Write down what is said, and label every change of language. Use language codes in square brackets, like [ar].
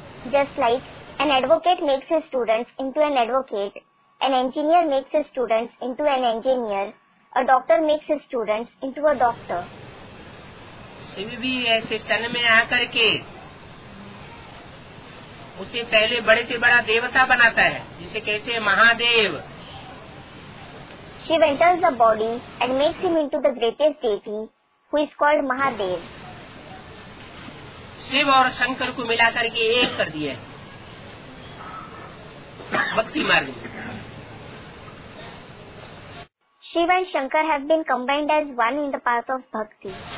[en] Just like an advocate makes his students into an advocate, an engineer makes his students into an engineer, a doctor makes his students into a doctor. [hi] Shiv भी ऐसे तन में आकर के उसे पहले बड़े से बड़ा देवता बनाता है जिसे कहते हैं Mahadev. [en] Shiv enters the body and makes him into the greatest deity who is called Mahadev. [hi] Shiv और शंकर को मिला करके एक कर दिया भक्ति मार्ग। [en] Shiv and Shankar have been combined as one in the path of bhakti.